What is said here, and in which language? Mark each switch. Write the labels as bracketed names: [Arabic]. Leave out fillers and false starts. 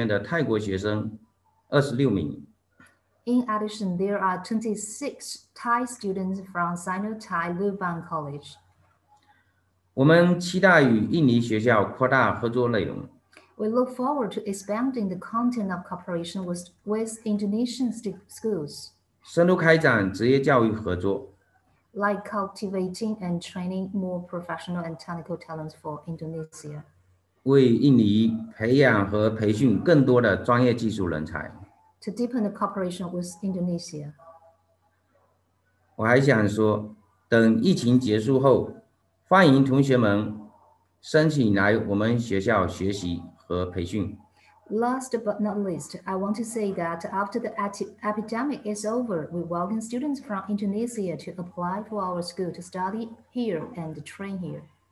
[Chinese] 另外，中泰鲁班学院的泰国学生26名。 [English] In addition, there are 26 Thai students from Sino-Thai Luban College. [Chinese] 我们期待与印尼学校扩大合作内容。 [English] We look forward to expanding the content of cooperation with Indonesian schools. [Chinese] 深入开展职业教育合作。 [English] Like cultivating and training more professional and technical talents for Indonesia. [Chinese] 为印尼培养和培训更多的专业技术人才。 [English] To deepen the cooperation with Indonesia. [Chinese] 我还想说，等疫情结束后，欢迎同学们申请来我们学校学习和培训。 [English] Last but not least, I want to say that after the epidemic is over, we welcome students from Indonesia to apply for our school to study here and train here.